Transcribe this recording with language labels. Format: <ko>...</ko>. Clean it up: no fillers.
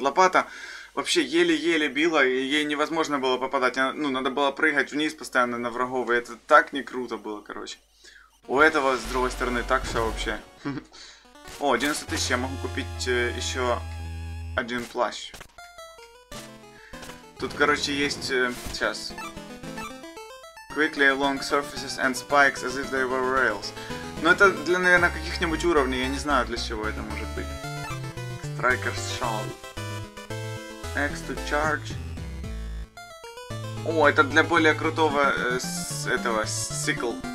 <ru>Лопата вообще еле-еле била, и ей невозможно было попадать. Ну, надо было прыгать вниз постоянно на врагов, и это так не круто было, короче. У этого, с другой стороны, так все вообще. О, 90 тысяч, я могу купить еще один плащ. Тут, короче, есть... сейчас.</ru> <en>Quickly along surfaces and spikes as if they were rails.</en> <ru>Но это для, наверное, каких-нибудь уровней, я не знаю, для чего это может быть.</ru> <en>Striker's Shawl. X to charge.</en> <ru>О, это для более крутого этого сикл.</ru>